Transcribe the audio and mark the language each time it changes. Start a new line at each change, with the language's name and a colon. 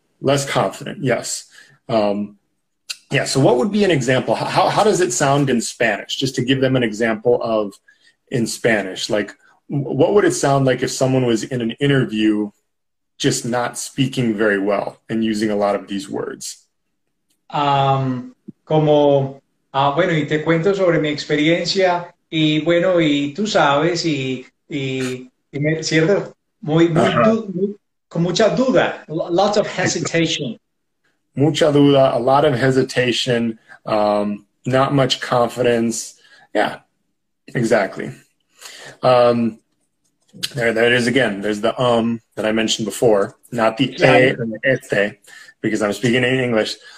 English: Less confident, yes. So what would be an example? How does it sound in Spanish? Just to give them an example of in Spanish, like what would it sound like if someone was in an interview just not speaking very well and using a lot of these words?
Spanish: Bueno, y te cuento sobre mi experiencia, y bueno, y tú sabes, y me, ¿cierto? Con mucha duda,
English: lots of hesitation.
Spanish: Mucha duda,
English: a lot of hesitation, not much confidence. Yeah, exactly. There it is again. There's the that I mentioned before, not the exactly. A and the este, because I'm speaking in English.